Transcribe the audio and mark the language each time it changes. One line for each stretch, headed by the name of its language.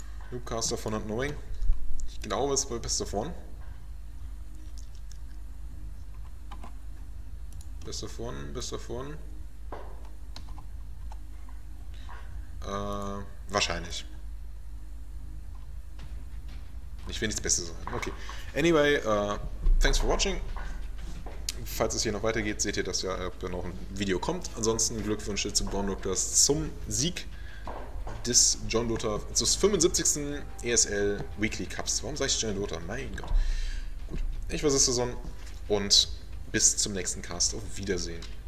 German: Noobcaster von Not Knowing. Ich glaube, es war Best of 1. Best of 1. Wahrscheinlich. Ich will nichts Bestes sagen. Okay.
English: Anyway, thanks for watching.
German: Falls es hier noch weitergeht, seht ihr das ja, ob da noch ein Video kommt. Ansonsten Glückwünsche zu Bondoklos zum Sieg. Des John Dota, des 75. ESL Weekly Cups. Warum sage ich John Dota? Mein Gott. Gut, ich war Sisterson und bis zum nächsten Cast. Auf Wiedersehen.